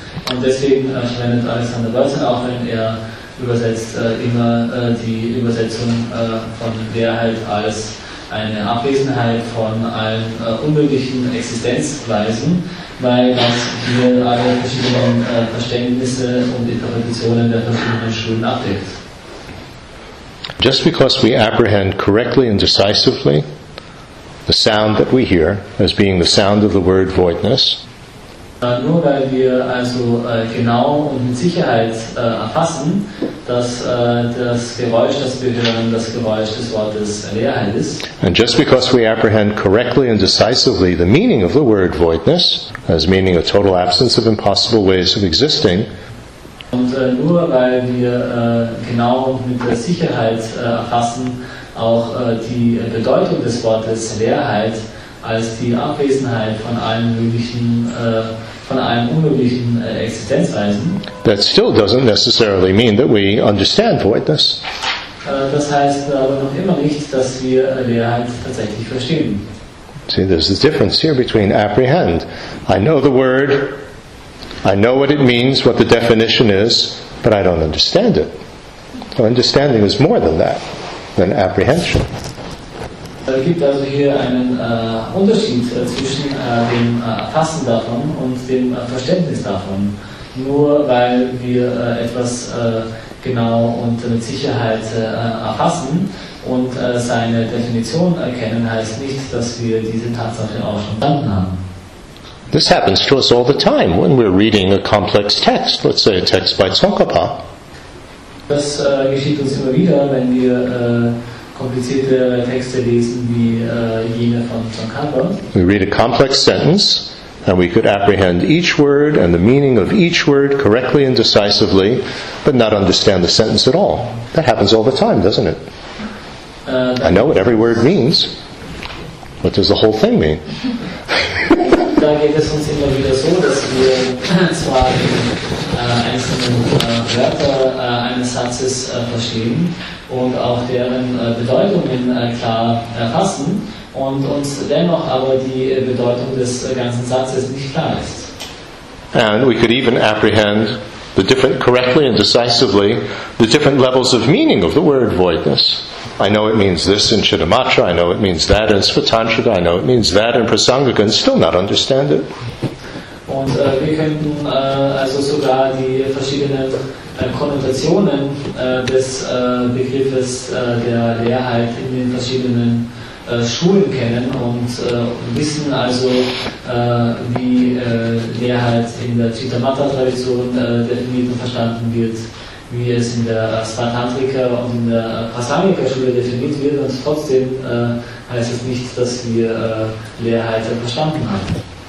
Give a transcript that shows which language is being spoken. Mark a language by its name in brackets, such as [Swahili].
[German] Und deswegen verwendet Alexander Börsen auch, wenn er übersetzt, immer die Übersetzung von Leerheit als eine Abwesenheit von allen unmöglichen Existenzweisen, weil das hier alle verschiedenen Verständnisse und Interpretationen der verschiedenen Schulen abdeckt. [English] Just because we apprehend correctly and decisively the sound that we hear as being the sound of the word voidness, [German] nur weil wir also genau und mit Sicherheit erfassen, dass das Geräusch, das wir hören, das Geräusch des Wortes Leerheit ist, [English] and just because we apprehend correctly and decisively the meaning of the word voidness as meaning a total absence of impossible ways of existing, [German] und nur weil wir genau und mit der Sicherheit erfassen auch die Bedeutung des Wortes Leerheit als die Abwesenheit von allen möglichen von allen unmöglichen Existenzweisen, [English] that still doesn't necessarily mean that we understand voidness. [German] Das heißt aber noch immer nicht, dass wir Leerheit tatsächlich verstehen. [English] See, there's a difference here between apprehend. I know the word, I know what it means, what the definition is, but I don't understand it. So understanding is more than that, than apprehension. [German] Es gibt also hier einen Unterschied zwischen dem Erfassen davon und dem Verständnis davon. Nur weil wir etwas genau und mit Sicherheit erfassen und seine Definition erkennen, heißt nicht, dass wir diese Tatsache auch schon verstanden haben. [English] This happens to us all the time when we're reading a complex text, let's say a text by Tsongkhapa. [German] Das geschieht uns immer wieder, wenn wir komplizierte Texte lesen wie jene von Tsongkhapa. [English] We read a complex sentence and we could apprehend each word and the meaning of each word correctly and decisively, but not understand the sentence at all. That happens all the time, doesn't it? I know what every word means. What does the whole thing mean? [German] da geht es uns immer wieder so, dass wir zwar die einzelnen Wörter eines Satzes verstehen und auch deren Bedeutungen klar erfassen, und uns dennoch aber die Bedeutung des ganzen Satzes nicht klar ist. [English] And we could even apprehend the different, correctly and decisively, the different levels of meaning of the word voidness. I know it means this in Chittamatra, I know it means that in Svatantrika, I know it means that in Prasangika, and still not understand it. [German] Und wir könnten also sogar die verschiedenen Konnotationen des Begriffes der Leerheit in den verschiedenen Schulen kennen und wissen also, wie Leerheit in der Chittamatra-Tradition definiert und verstanden wird, wie es in der Svatantrika und in der Prasangika-Schule definiert wird, und trotzdem heißt es nicht, dass wir Leerheit verstanden haben.